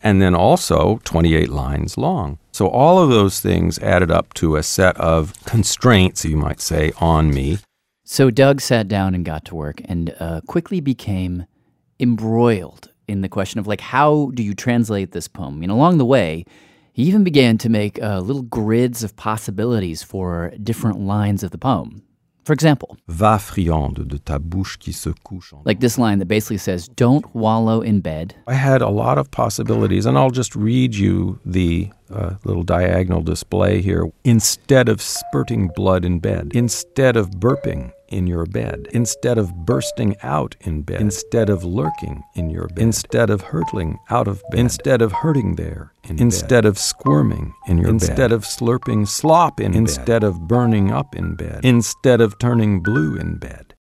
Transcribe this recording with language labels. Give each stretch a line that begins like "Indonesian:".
English: And then also 28 lines long. So all of those things added up to a set of constraints, you might say, on me. So Doug sat down and got to work and quickly became embroiled in the question of, like, how do you translate this poem? I mean, along the way, he even began to make little grids of possibilities for different lines of the poem. For example,
French: va friande de ta bouche qui se couche.
English: Like this line that basically says, don't wallow in bed. I had a lot of possibilities, and I'll just read you the little diagonal display here. Instead of spurting blood in bed, instead of burping in your bed, instead of bursting out in bed, instead of lurking in your bed, instead of hurtling out of bed, instead of hurting there in bed, instead of squirming in your bed, instead of slurping slop in bed, instead of burning up in bed, instead of turning blue in bed.